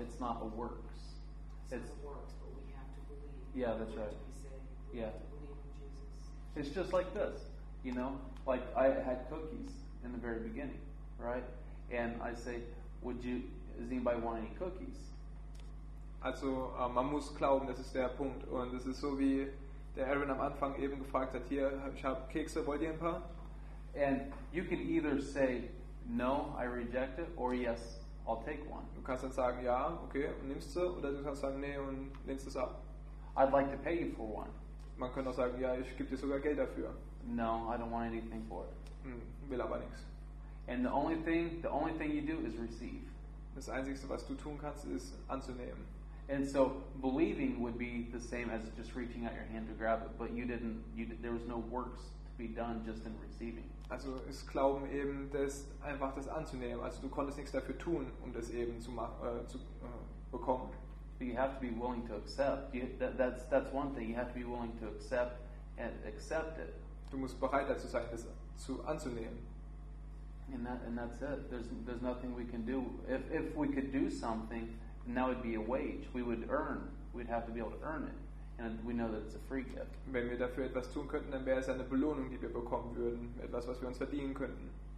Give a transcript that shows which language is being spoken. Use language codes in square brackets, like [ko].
[en] It's not a works, but we have to believe. Yeah, that's right. We have to believe in Jesus. It's just like this, you know? Like, I had cookies in the very beginning, right? And I say, does anybody want any cookies? [de] Also, man muss glauben, das ist der Punkt. Und es ist so, wie der Aaron am Anfang eben gefragt hat, hier, ich habe Kekse, wollt ihr ein paar? [en] And you can either say, no, I reject it, or yes, I'll take one. [de] Du kannst dann sagen, ja, okay, und nimmst du, oder du kannst sagen, nee, und lehnst es ab. [en] I'd like to pay you for one. [de] Man könnte auch sagen, ja, ich gebe dir sogar Geld dafür. [en] No, I don't want anything for it. [de] Will aber nichts. [en] And the only thing you do is receive. [de] Das Einzige, was du tun kannst, ist anzunehmen. [en] And so believing would be the same as just reaching out your hand to grab it, but there was no works to be done just in receiving. [de] Also ist Glauben eben das, einfach das anzunehmen. Also du konntest nichts dafür tun, um das eben zu bekommen. [en] But you have to be willing to accept. That's one thing. You have to be willing to accept and accept it. [de] Du musst bereit dazu sein, das zu anzunehmen. [en] And that's it. There's nothing we can do. If we could do something, and that would be a wage. We would earn. We'd have to be able to earn it. And we know that it's a free gift. [de] Wenn wir dafür etwas tun könnten, dann wäre es eine Belohnung, die wir bekommen würden. Etwas, was wir uns verdienen könnten.